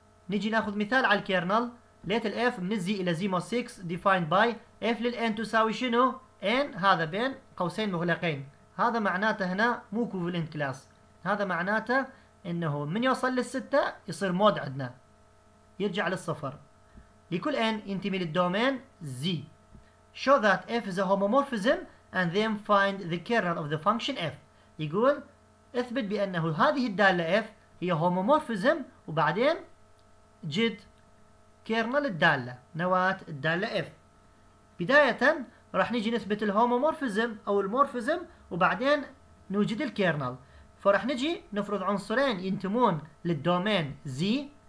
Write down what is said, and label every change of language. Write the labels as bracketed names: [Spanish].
[Arabic] نجي ناخذ مثال على الكيرنل، [English] let الاف من Z الى Z mod 6 defined by F [Arabic] للان تساوي شنو؟ ان هذا بين قوسين مغلقين، هذا معناته هنا مو كوفلنت كلاس، هذا معناته انه من يوصل للسته يصير مود عندنا، يرجع للصفر. لكل ان ينتمي للدومين زي. [English] Show that f is a homomorphism and then find the kernel of the function f. [Arabic] يقول اثبت بانه هذه الداله f هي homomorphism وبعدين جد كيرنل الداله، نواه الداله f. بدايه راح نجي نثبت الهوموموفيزم او المورفيزم وبعدين نوجد الكيرنل، فراح نجي نفرض عنصرين ينتمون للدومين زي.